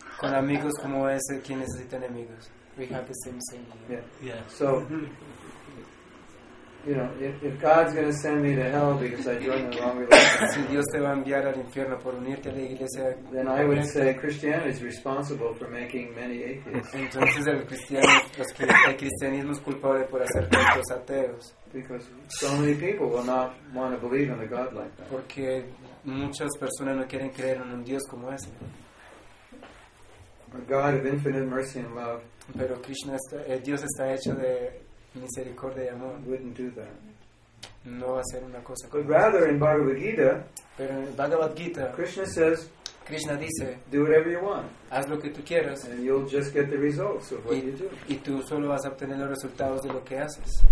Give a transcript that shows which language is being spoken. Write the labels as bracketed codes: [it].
[es] Con amigos como ese, ¿quién necesita enemigos? [en] We have the same saying. Yeah. So, you know, if God's going to send me to hell because I joined the wrong religion. [es] Si Dios te va a enviar al infierno por unirte a la iglesia. [en] Then I would say Christianity is responsible for making many atheists. [es] Entonces el cristianismo es culpable por hacer tantos ateos. [en] Because so many people will not want to believe in a God like that. [es] Porque muchas personas no quieren creer en un Dios como ese. [en] A God of infinite mercy and love. [es] Pero Krishna, Dios está hecho de misericordia y amor. [en] Wouldn't do that. [es] No hacer una cosa. [en] But rather in Bhagavad Gita, [es] pero en Bhagavad Gita, [en] Krishna dice, do whatever you want. [es] Haz lo que tú quieras. [en] And you'll just get the results of what you do. [es] Y tú solo vas a obtener los resultados de lo que haces.